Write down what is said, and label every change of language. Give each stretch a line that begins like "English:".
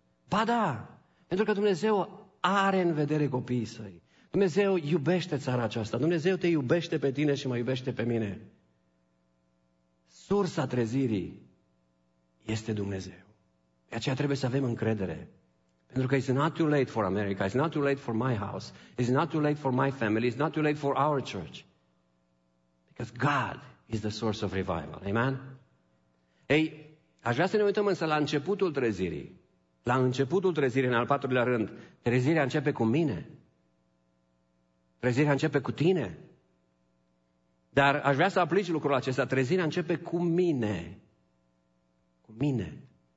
Romanian: Ba da, pentru că Dumnezeu are în vedere copiii Săi. Dumnezeu iubește țara aceasta. Dumnezeu te iubește pe tine și mă iubește pe mine. Sursa trezirii este Dumnezeu. De aceea trebuie să avem încredere. Pentru că
English: it's not too late for America, it's not too late for my house, it's not too late for my family, it's not too late for our church. Because God is the source of revival. Amen?
Romanian: Ei, aș vrea să ne uităm însă la începutul trezirii. La începutul trezirii, în al patrulea rând, trezirea începe cu mine. Trezirea începe cu tine. Dar aș vrea să aplici lucrul acesta. Trezirea începe cu mine. Cu mine.